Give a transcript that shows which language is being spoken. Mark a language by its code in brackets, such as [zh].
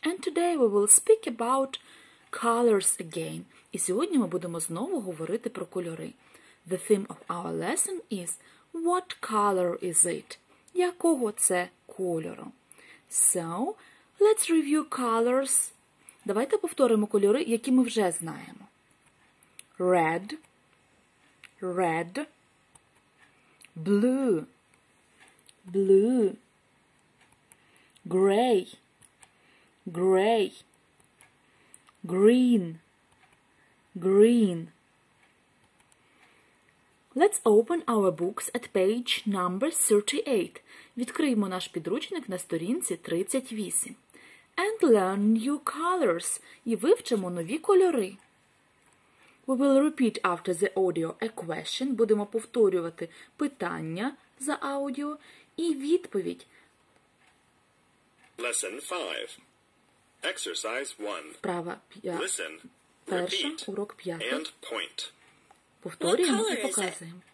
[en] And today we will speak about colors again. [uk] І сьогодні ми будемо знову говорити про кольори. [en] The theme of our lesson is what color is it? [uk] Якого це кольору? [en] So, let's review colors. [uk] Давайте повторимо кольори, які ми вже знаємо. [en] Red. Red. Blue. Blue, gray, gray, green, green. Let's open our books at page number 38. [uk] Відкриємо наш підручник на сторінці 38. [en] And learn new colors. [uk] І вивчимо нові кольори. [en] We will repeat after the audio a question. [uk] Будемо повторювати питання за аудіо. І відповідь. [en] Lesson 5. Exercise 1. [uk] Вправа 5. [en] Listen. [uk] Перша, урок 5. [en] And point. [uk] Повторюємо і показуємо.